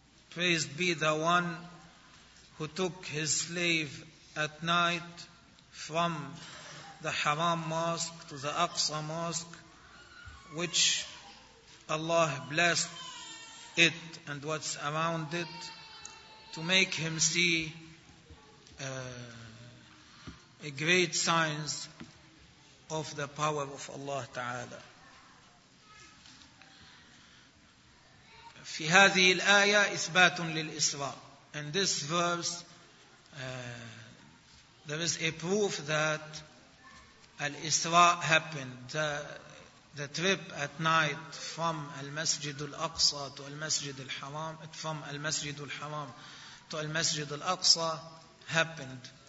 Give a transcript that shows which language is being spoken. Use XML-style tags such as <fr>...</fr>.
<en>praised be the one who took his slave at night from the Haram Mosque to the Aqsa Mosque, which Allah blessed it and what's around it, to make him see a great signs of the power of Allah Ta'ala.</en> <ar>في هذه الآية إثبات للإسراء.</ar> <en>In this verse, there is a proof that Al-Isra happened. The trip at night from Al-Masjid Al-Aqsa to Al-Masjid Al-Haram, from Al-Masjid Al-Haram to Al-Masjid Al-Aqsa happened.</en>